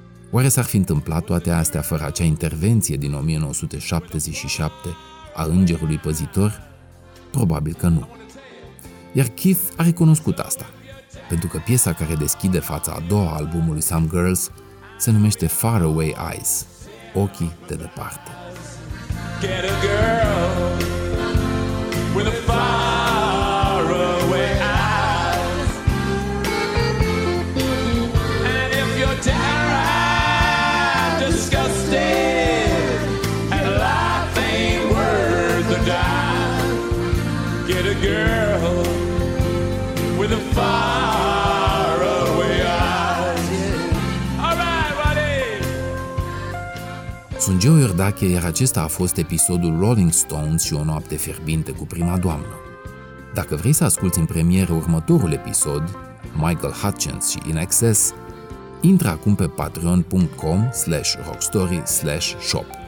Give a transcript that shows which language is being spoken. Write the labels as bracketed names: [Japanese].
[Romanian] Oare s-ar fi întâmplat toate astea fără acea intervenție din 1977 a Îngerului Păzitor? Probabil că nu. Iar Keith a recunoscut asta, pentru că piesa care deschide fața a doua albumului Some Girls se numește Far Away Eyes, Ochii de Departe. [English] Get a girl with a far away eyes, and if you're terrified, disgusted, and life ain't worth a dime, get a girl with a far away eyes. All right, buddy. [Romanian] Sunt Joe Iordache, iar acesta a fost episodul Rolling Stones și o noapte fierbinte cu prima doamnă. Dacă vrei să asculti în premieră următorul episod, Michael Hutchence și In Excess, intră acum pe patreon.com/rockstory/shop.